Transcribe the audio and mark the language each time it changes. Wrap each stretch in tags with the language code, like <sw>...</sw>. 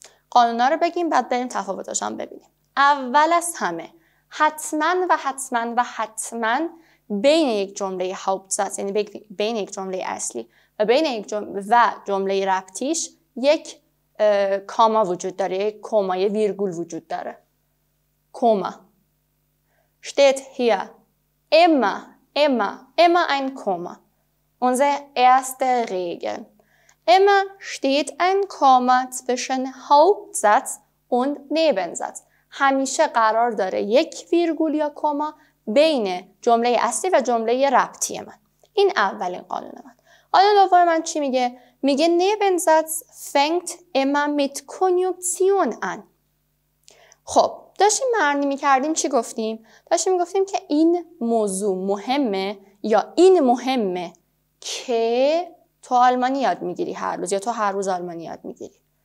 <fa>قانونا رو بگیم بعد بریم تفاوتاش هم ببینیم. اول از همه حتما و حتما و حتما بین یک جمله هاوبتزت، یعنی بین یک جمله اصلی و بین یک جمله ربطیش یک کاما وجود داره، کما، یه ویرگول وجود داره.</fa> <de>کما steht hier immer ein Komma. Unsere erste Regel. Immer steht ein Komma zwischen Hauptsatz und Nebensatz.</de> <fa>همیشه قرار داره یک ویرگول یا کما بین جمله اصلی و جمله ربطی من. این اولین قانون من. قانون دوم من چی میگه؟ میگه</fa> <de>نبنزتس فنگت اما میت کنیوکسیون ان.</de> <fa>خب داشتیم معنی میکردیم چی گفتیم؟ داشتیم میگفتیم که این موضوع مهمه، یا این مهمه که تو آلمانی یاد میگیری هر روز، یا تو هر روز آلمانی یاد میگیری.</fa>